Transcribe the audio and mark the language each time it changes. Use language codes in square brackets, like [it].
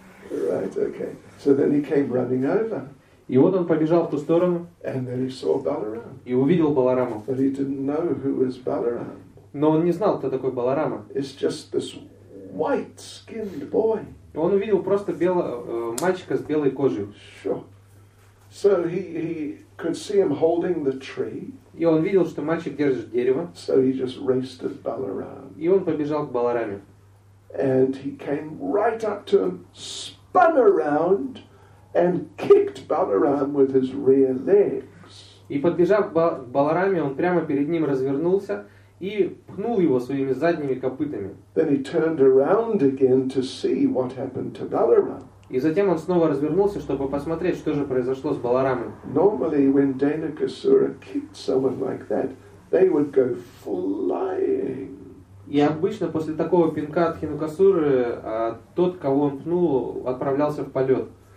[en] Right, okay. So then he came running over. [ru] И вот он побежал в ту сторону. [en] And then he saw Balaram. [ru] И увидел Баларама. [en] But he didn't know who was Balaram. [ru] Но он не знал, кто такой Баларама. [en] It's just this white-skinned boy. [ru] Он увидел просто мальчика с белой кожей. [en] Sure. So he could see him holding the tree. [ru] И он видел, что мальчик держит дерево. [en] So he just raced at Balaram. [ru] И он побежал к Балараме. [en] And he came right up to him, spun around, and kicked Balaram with his rear legs. [ru] И подбежав к Балараме, он прямо перед ним развернулся и пнул его своими задними копытами. [en] Then he turned around again to see what happened to Balaram. [ru] И затем он снова развернулся, чтобы посмотреть, что же произошло с Баларамой. [en] Normally, when Dainakasura kicked someone like that, they would go flying. [ru] И обычно после такого пинка от Хинокасуры тот, кого он пнул, отправлялся в полет.